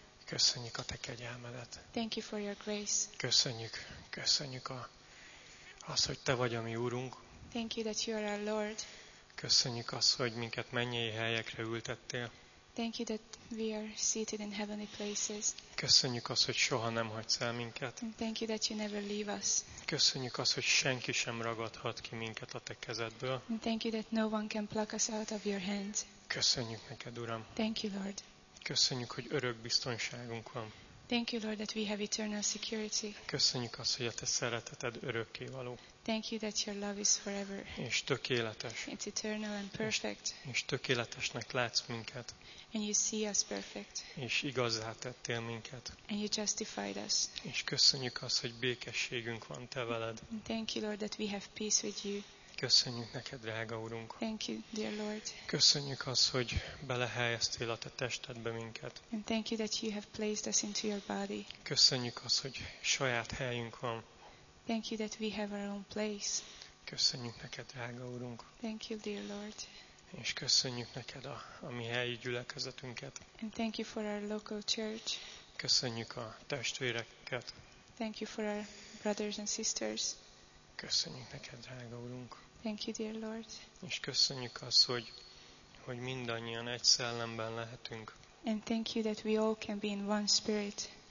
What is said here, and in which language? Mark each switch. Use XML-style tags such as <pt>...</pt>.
<hu>köszönjük a Te kegyelmedet.</hu> <en>Thank you for your grace.</en> <hu>Köszönjük azt, hogy Te vagy a mi Urunk.</hu> <en>Thank you that you are our Lord.</en> <hu>Köszönjük azt, hogy minket mennyei helyekre ültettél.</hu> <en>Thank you that we are seated in heavenly places.</en> <hu>Köszönjük azt, hogy soha nem hagysz el minket.</hu> <en>And thank you that you never leave us.</en> <hu>Köszönjük azt, hogy senki sem ragadhat ki minket a Te kezedből.</hu> <en>And thank you that no one can pluck us out of your hands.</en> <hu>Köszönjük neked, Uram.</hu> <en>Thank you, Lord.</en> <hu>Köszönjük, hogy örök biztonságunk van.</hu> <en>Thank you, Lord, that we have eternal security.</en> <hu>Köszönjük azt, hogy a Te szereteted örökké való.</hu> <en>Thank you that your love is forever.</en> <hu>És tökéletes.</hu> <en>It's eternal and perfect.</en> <hu>És tökéletesnek látsz minket.</hu> <en>And you see us perfect.</en> <hu>És igazzá tettél minket.</hu> <en>And you justified us.</en> <hu>És köszönjük azt, hogy békességünk van Te veled.</hu> <en>Thank you, Lord, that we have peace with you.</en> <hu>Köszönjük neked, drága Urunk.</hu> <en>Thank you, dear Lord.</en> <hu>Köszönjük azt, hogy belehelyeztél a Te testedbe minket.</hu> <en>And thank you that you have placed us into your body.</en> <hu>Köszönjük azt, hogy saját helyünk van.</hu> <en>Thank you that we have our own place.</en> <hu>Köszönjük neked, drága Urunk.</hu> <en>Thank you, dear Lord.</en> <hu>És köszönjük neked a mi helyi gyülekezetünket.</hu> <en>And thank you for our local church.</en> <hu>Köszönjük a testvéreket.</hu> <en>Thank you for our brothers and sisters.</en> <hu>Köszönjük neked, drága Urunk.</hu> <en>Thank you, dear Lord.</en> <hu>És köszönjük azt, hogy mindannyian egy szellemben lehetünk.</hu> <en>And thank you that we all can be in one spirit.</en>